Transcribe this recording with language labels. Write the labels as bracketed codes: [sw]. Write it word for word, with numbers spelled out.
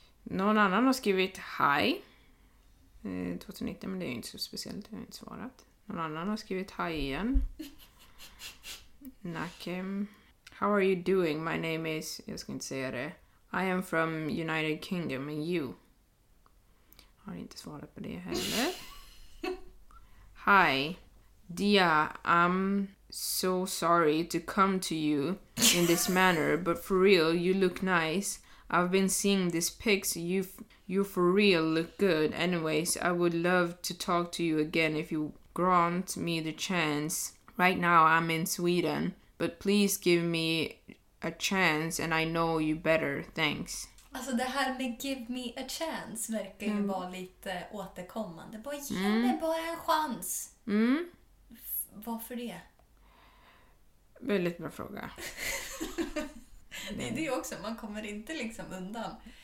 [sv] Någon annan har skrivit hi. Eh, tjugonitton, men det är ju inte så speciellt. Jag har inte svarat. Någon annan har skrivit hi igen. [en] Nakem. How are you doing? My name is... [sv] Jag ska inte säga det. [en] I am from United Kingdom and you. [sv] Har inte svarat på det heller. [en] Hi. Dia, I'm so sorry to come to you in this manner, but for real, you look nice. I've been seeing these pics. You, you for real look good. Anyways, I would love to talk to you again if you grant me the chance. Right now, I'm in Sweden, but please give me a chance, and I know you better. Thanks. [sv] Alltså det här med [en] give me a chance [sv] verkar ju vara lite återkommande. Bara ge mig bara en chans. Mm. F- Varför det? Väldigt bra fråga. Det är det också, man kommer inte liksom undan.